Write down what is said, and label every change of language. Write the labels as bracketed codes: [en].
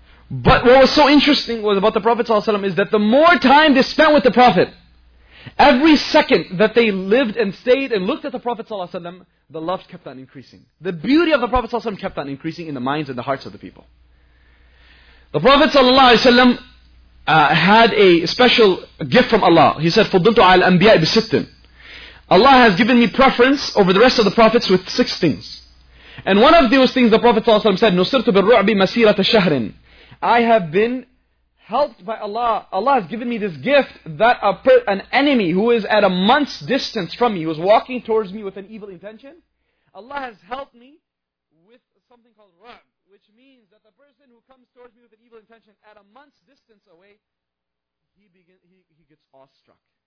[en] But what was so interesting was about the Prophet ﷺ is that the more time they spent with the Prophet, every second that they lived and stayed and looked at the Prophet ﷺ, the love kept on increasing. The beauty of the Prophet ﷺ kept on increasing in the minds and the hearts of the people. The Prophet ﷺ had a special gift from Allah. He said, [ar] فُضِلْتُ عَلَى الْأَنْبِيَاءِ بِسِتٍ. [en] Allah has given me preference over the rest of the Prophets with six things. And one of those things the Prophet ﷺ said, [ar] نُصِرْتُ بِالرُّعْبِ مَسِيرَةَ شَهْرٍ. [en] I have been helped by Allah. Allah has given me this gift that an enemy who is at a month's distance from me, who is walking towards me with an evil intention, Allah has helped me with something called ra'b, which means that the person who comes towards me with an evil intention at a month's distance away, he gets awestruck.